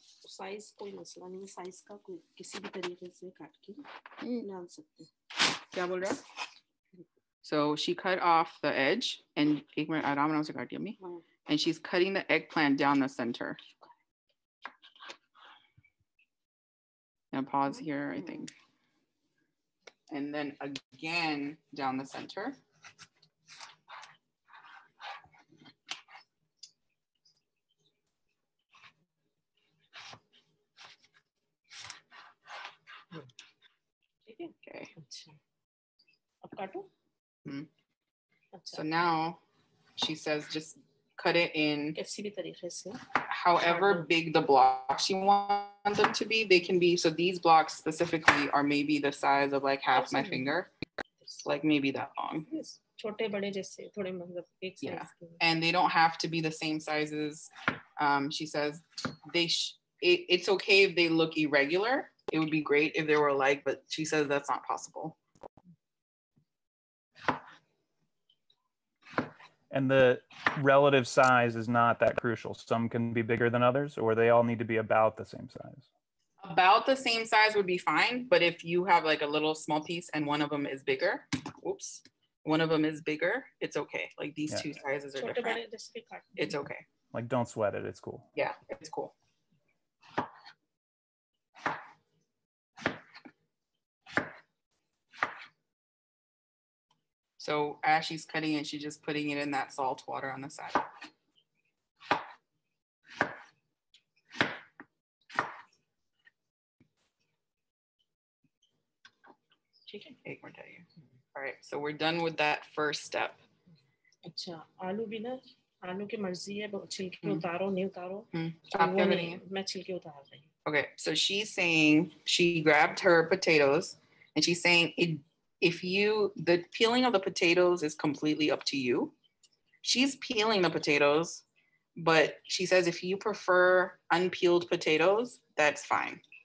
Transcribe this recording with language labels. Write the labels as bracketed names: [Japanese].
[Hindi] Size कोई मसला नहीं है, साइज का कोई किसी भी तरीके से काट के डाल सकते हैं. क्या बोल रहा है? [English] So she cut off the edge and [Hindi] ek minute aaram se kaat diya me, [English] and she's cutting the eggplant down the center. Now pause here, I think. And then again down the center. [Hindi] Okay. Ab kaato. [English] So now she says just cut it in [Hindi] किसी भी तरीके से. [English] However big the blocks you want them to be, they can be. So these blocks specifically are maybe the size of like half my finger, like maybe that long. [Hindi] छोटे बड़े जैसे थोड़े मतलब एक [English] size. And they don't have to be the same sizes. She says they it's okay if they look irregular. It would be great if they were alike, but she says that's not possible. And the relative size is not that crucial. Some can be bigger than others, or they all need to be about the same size. About the same size would be fine, but if you have like a little small piece and one of them is bigger, oops, one of them is bigger, it's okay. Like these two sizes are different. It's okay. Like don't sweat it, it's cool. Yeah, it's cool. So as she's cutting it, she's just putting it in that salt water on the side. She can take more time. All right, so we're done with that first step. [Hindi] अच्छा आलू भी ना आलू की मर्जी है बस छिलके उतारो नहीं उतारो. आप क्या करेंगे? मैं छिलके उतार रही हूँ. [English] Okay, so she's saying she grabbed her potatoes and she's saying it. If you, the peeling of the potatoes is completely up to you. She's peeling the potatoes, but she says if you prefer unpeeled potatoes, that's fine.